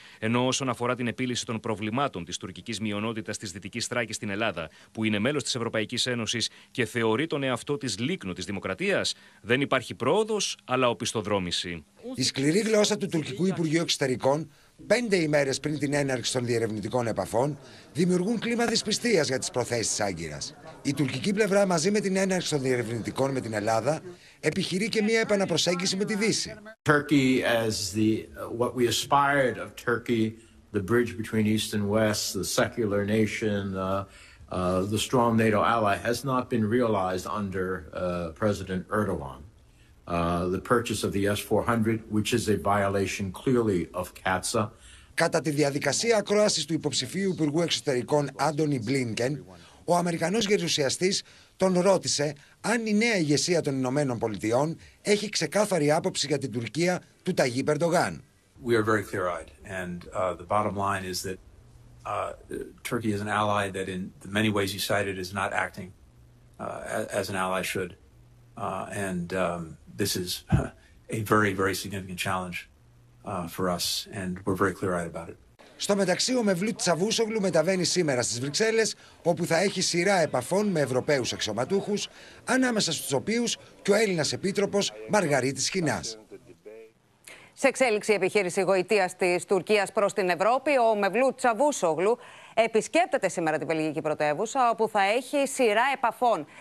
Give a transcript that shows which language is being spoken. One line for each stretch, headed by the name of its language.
Greek: Ενώ όσον αφορά την επίλυση των προβλημάτων της τουρκικής μειονότητας της Δυτικής Θράκης στην Ελλάδα, που είναι μέλος της Ευρωπαϊκής Ένωσης και θεωρεί τον εαυτό της λίκνο της δημοκρατίας, δεν υπάρχει πρόοδος, αλλά οπισθοδρόμηση. Η σκληρή γλώσσα του τουρκικού Υπουργείου Εξωτερικών, 5 ημέρες πριν την έναρξη των διερευνητικών επαφών, δημιουργούν κλίμα δυσπιστίας για τις προθέσεις της Άγκυρας. Η τουρκική πλευρά, μαζί με την έναρξη των διερευνητικών με την Ελλάδα, επιχειρεί και μια επαναπροσέγγιση με τη Δύση.
English: Turkey as the what we aspired of Turkey, the bridge between East and West, the secular nation, the strong NATO ally, has not been realized under President Erdogan. The purchase of the S-400, which is a violation clearly of CATSA.
Greek: Κατά τη διαδικασία ακρόασης του υποψηφίου Υπουργού Εξωτερικών Άντονι Μπλίνκεν, ο Αμερικανός γερουσιαστής τον ρώτησε αν η νέα ηγεσία των Ηνωμένων Πολιτειών έχει ξεκάθαρη άποψη για την Τουρκία του Ταγίπ Ερντογάν.
English: We are very clear-eyed, and the bottom line is that Turkey is an ally that in the many ways you cited is not acting as an ally should. This is a very, very significant challenge for us, and we're very clear-eyed about it.
Greek: Στο μεταξύ, ο Μευλούτ Τσαβούσογλου μεταβαίνει σήμερα στις Βρυξέλλες, όπου θα έχει σειρά επαφών με Ευρωπαίους αξιωματούχους, ανάμεσα στους οποίους και ο Έλληνας Επίτροπος Μαργαρίτης Χινάς. Σε εξέλιξη επιχείρηση γοητείας της Τουρκίας προς την Ευρώπη, ο Μευλούτ Τσαβούσογλου επισκέπτεται σήμερα την Βελγική Πρωτεύουσα, όπου θα έχει σειρά επαφών.